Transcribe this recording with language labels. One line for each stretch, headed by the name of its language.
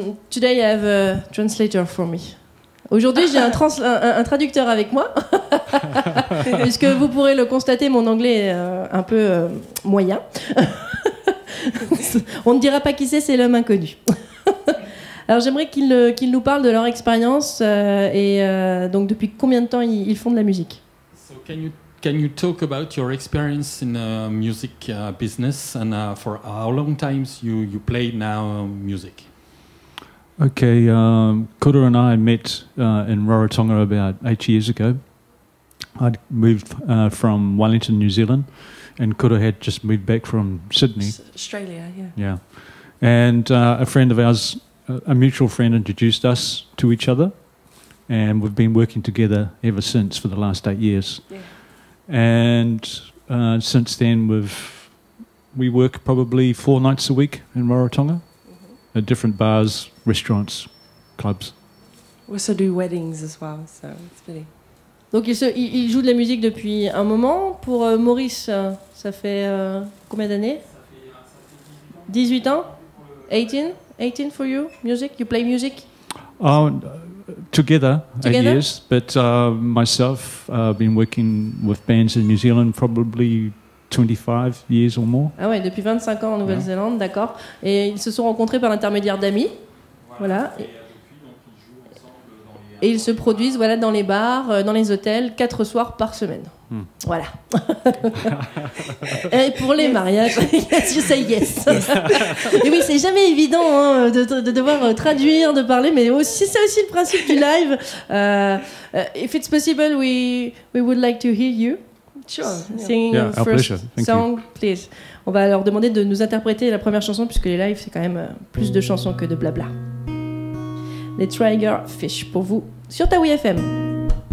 English: Today I have a translator for me.
French: Aujourd'hui, j'ai un traducteur avec moi. Puisque vous pourrez le constater, mon anglais est un peu moyen. On ne dira pas qui c'est l'homme inconnu. Alors j'aimerais qu'ils nous parlent de leur expérience et donc depuis combien de temps ils font de la musique.
English: So can you talk about your experience in the music business and for how long times you play now music? Okay, Kura and I met in Rarotonga about 8 years ago. I'd moved from Wellington, New Zealand, and Kura had just moved back from Sydney. Australia, yeah. Yeah, and a friend of ours. A mutual friend introduced us to each other, and we've been working together ever since for the last 8 years. Yeah. And since then, we work probably 4 nights a week in Rarotonga, mm-hmm. at different bars, restaurants, clubs. We also do weddings as well, so it's pretty.
French: Donc il joue de la musique depuis un moment. Pour Maurice, ça fait combien d'années? 18 ans.
English: 18. 18 for you, music? You play music? Together, 8 years. But myself, I've been working with bands in New Zealand probably 25 years or more.
French: Ah ouais, depuis 25 ans en Nouvelle-Zélande, yeah. D'accord. Et ils se sont rencontrés par l'intermédiaire d'amis. Voilà. Et ils se produisent voilà, dans les bars, dans les hôtels, 4 soirs par semaine. Hmm. Voilà. Et pour les mariages, je
English: say yes.
French: Et oui, c'est jamais évident hein, de devoir traduire, de parler, mais aussi, c'est aussi le principe du live.
English: If it's possible, we would like to hear you. Sure. Singing yeah, your first song, you. Please.
French: On va leur demander de nous interpréter la première chanson, puisque les lives, c'est quand même plus de chansons que de blabla. Les Tiger Fish pour vous sur Taoui FM.